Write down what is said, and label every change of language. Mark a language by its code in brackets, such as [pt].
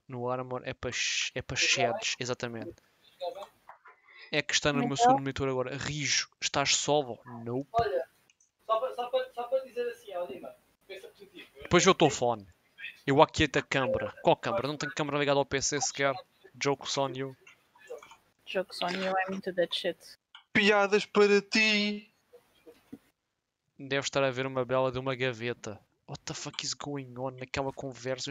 [pt] No armor é para sheds, exatamente. É que está no meu segundo monitor agora. Rijo, estás solo? Nope. Olha, só para dizer assim, Alima, pensa positivo. Pois eu estou fone. Eu aquieto a câmara. Qual câmara? Não tenho câmara ligada ao PC sequer. [en] Jokes on you. Jokes on you, I'm into that shit. [pt] Piadas para ti. Deve estar a ver uma bela de uma gaveta. [en] What the fuck is going on [pt] naquela conversa?